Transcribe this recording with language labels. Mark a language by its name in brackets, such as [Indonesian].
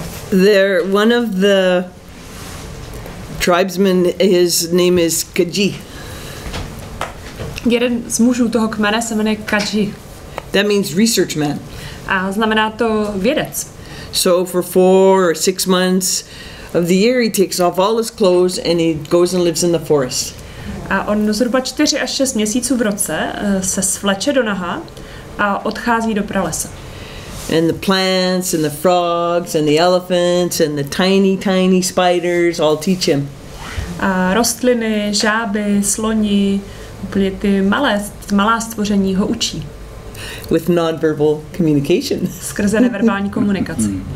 [English] There, one of the tribesmen, his name is Kaji. [Czech] Jeden z mužů toho kmene se jmenuje Kaji. [English] That means research man. [Czech] A znamená to vědec. [English] So for 4 or 6 months of the year, he takes off all his clothes and he goes and lives in the forest. [Czech] A on zhruba 4 až 6 měsíců v roce se svleče do naha a odchází do pralesa. [English] And the plants and the frogs and the elephants and the tiny, tiny spiders all teach him. [Czech] A rostliny, žáby, sloni, úplně ty malá stvoření ho učí. [English] With nonverbal communication. [Czech] Skrze neverbální komunikaci.